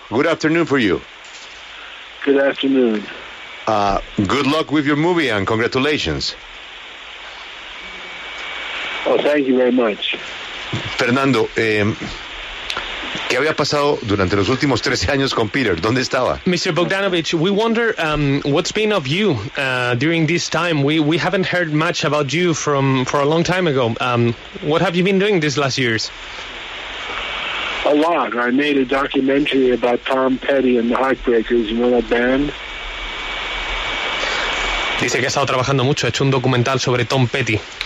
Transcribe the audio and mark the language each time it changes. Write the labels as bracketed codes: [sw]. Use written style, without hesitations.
[en] Good afternoon for you. Good afternoon. Good luck with your movie and congratulations. Oh, thank you very much. [es] Fernando, ¿qué había pasado durante los últimos 13 años con Peter? ¿Dónde estaba? [en] Mr. Bogdanovich, we wonder what's been of you during this time. We haven't heard much about you for a long time ago. What have you been doing these last years? A lot. I made a documentary about Tom Petty and the Heartbreakers. You know that band? [es] Dice que ha estado trabajando mucho. Ha hecho un documental sobre Tom Petty.